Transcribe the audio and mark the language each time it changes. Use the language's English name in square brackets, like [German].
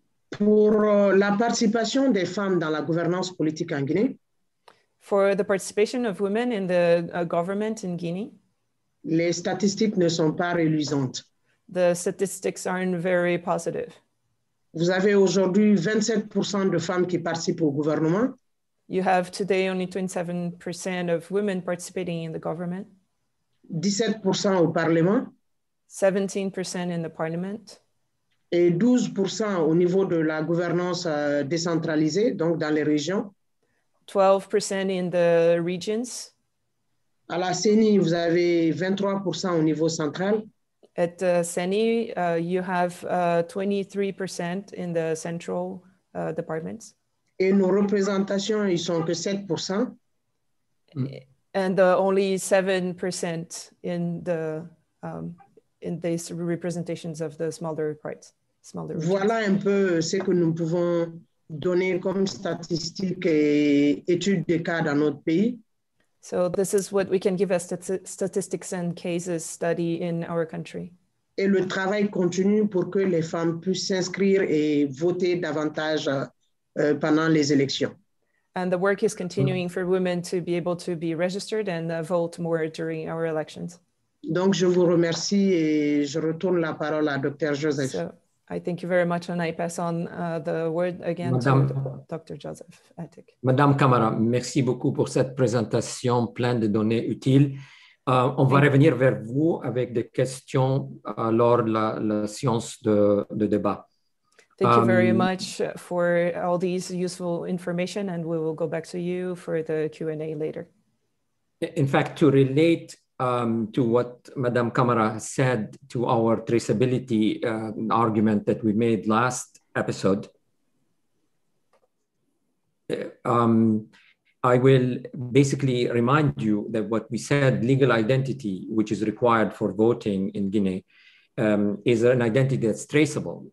[French] Pour la participation des femmes dans la gouvernance politique en Guinée. [English] For the participation of women in the government in Guinea. [French] Les statistiques ne sont pas reluisantes. [English] The statistics aren't very positive. [French] Vous avez aujourd'hui 27% de femmes qui participent au gouvernement. [English] You have today only 27% of women participating in the government. [French] 17% au Parlement. [English] 17% in the Parliament. [French] Et 12% au niveau de la gouvernance décentralisée, donc dans les régions. [English] 12% in the regions. [French] À la CENI, vous avez 23% au niveau central. [English] At CENI, you have 23% in the central departments. [French] Et nos représentations, ils sont que 7%. [English] And only 7% in these representations of the smaller parts. Smaller. [French] Voilà un peu ce que nous pouvons donner comme statistiques et études de cas dans notre pays. [English] So this is what we can give as statistics and cases study in our country. [French] et le travail continue pour que les femmes puissent s'inscrire et voter davantage pendant les élections. [English] And the work is continuing for women to be able to be registered and vote more during our elections. [French] Donc, je vous remercie et je retourne la parole à Dr. Joseph. [English] So, I thank you very much and I pass on the word again Madame, to Dr. Joseph Attic. [French] Madame Camara, merci beaucoup pour cette présentation pleine de données utiles. On va revenir vers vous avec des questions lors de la séance de débat. [English] Thank you very much for all these useful information, and we will go back to you for the Q&A later. In fact, to relate to what Madame Camara said to our traceability argument that we made last episode, I will basically remind you that what we said, legal identity, which is required for voting in Guinea, is an identity that's traceable.